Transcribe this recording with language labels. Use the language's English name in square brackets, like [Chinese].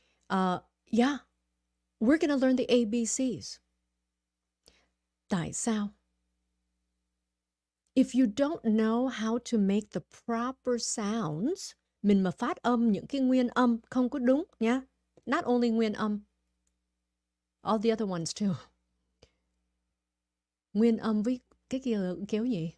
[English] We're going to learn the ABCs. [Vietnamese] Tại sao? [English] If you don't know how to make the proper sounds, [Vietnamese] mình mà phát âm những cái nguyên âm không có đúng nha. [English] Not only nguyên âm, all the other ones too. [Vietnamese] Nguyên âm với cái kia kéo gì?